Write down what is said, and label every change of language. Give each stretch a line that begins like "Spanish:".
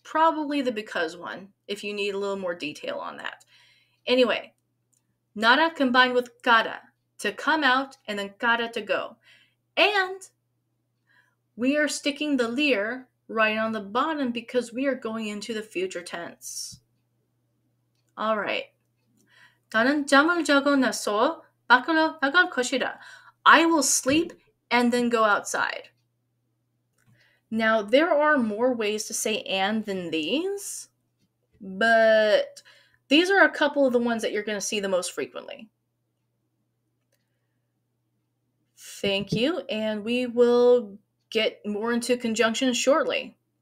English: Probably the because one, if you need a little more detail on that. Anyway, nara combined with gara, to come out, and then gara to go. And We are sticking the lir right on the bottom because we are going into the future tense. All right.
Korean: 나는 잠을 자고 나서 밖으로 나갈 것이다.
English: I will sleep and then go outside. Now, there are more ways to say and than these, but these are a couple of the ones that you're going to see the most frequently. Thank you, and we will get more into conjunctions shortly.